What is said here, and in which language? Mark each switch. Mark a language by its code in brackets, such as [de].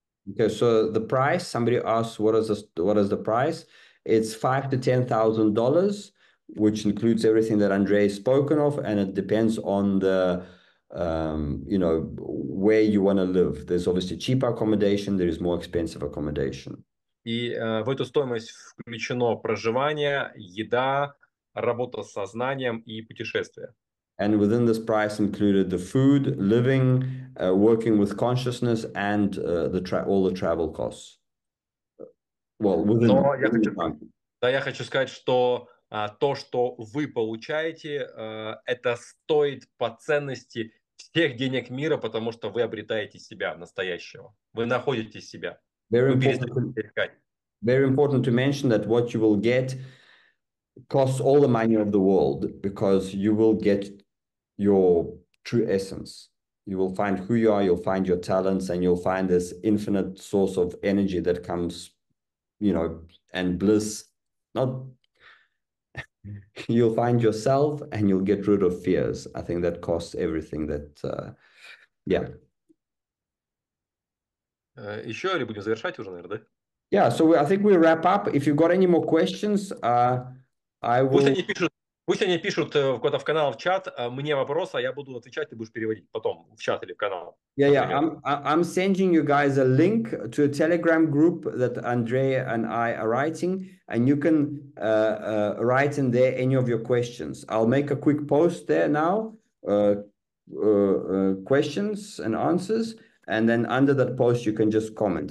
[en] Okay, so the price, somebody asks, what is the price? It's $5,000 to $10,000, which includes everything that Andrei has spoken of, and it depends on the you know, where you want to live. There's obviously cheaper accommodation, there is more expensive accommodation. [ru] И в эту стоимость включено проживание, еда, работа с сознанием и путешествия. [en] And within this price included the food, living, working with consciousness and all the travel costs. Well, within... [ru] Но я хочу, да, я хочу сказать, что то, что вы получаете, это стоит по ценности всех денег мира, потому что вы обретаете себя настоящего. Вы находите себя. [en] Very [ru] вы [en] important, [ru] перестаете искать. [en] Very important to mention that what you will get costs all the money of the world, because you will get your true essence. You will find who you are, you'll find your talents, and you'll find this infinite source of energy that comes, you know, and bliss. Not... You'll find yourself and you'll get rid of fears. I think that costs everything that, yeah. [ru] Еще или будем завершать уже, наверное, да? [en] Yeah, so I think we wrap up. If you've got any more questions, I will... [ru] Пусть они пишут куда-то в канал, в чат, мне вопрос, а я буду отвечать, ты будешь переводить потом в чат или в канал. [en] Yeah, yeah, I'm sending you guys a link to a Telegram group that Andrea and I are writing, and you can write in there any of your questions. I'll make a quick post there now, questions and answers, and then under that post you can just comment.